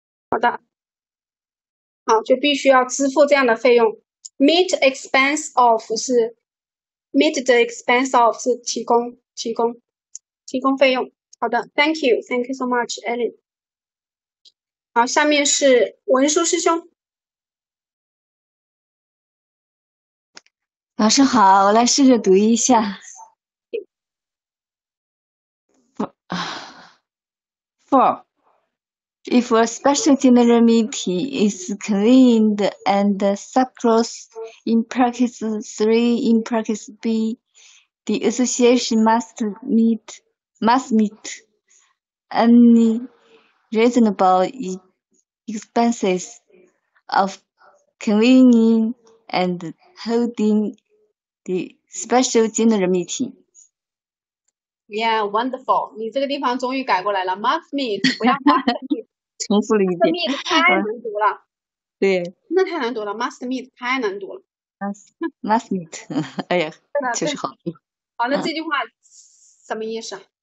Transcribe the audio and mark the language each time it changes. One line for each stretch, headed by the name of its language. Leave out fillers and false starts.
Chinese: 好的，好，就必须要支付这样的费用 ，meet expense of 是 meet the expense of 是提供费用。好的 ， thank you so much, Ellen。好，下面是文书师兄。老师好，我来试着读一下。
English: For if a special general meeting is convened and subclause in practice 3 in practice B, the association must meet any reasonable expenses of convening and holding. The special general meeting. Yeah, wonderful.
Chinese: 你这个地方终于改过来了。
English: Must meet, 不要
Chinese: meet. 重复了一遍。 Must meet 太难读了。对。那太难读了。 Must meet 太难读了。 Must meet. 哎呀，确实好读。好，那这句话什么意思？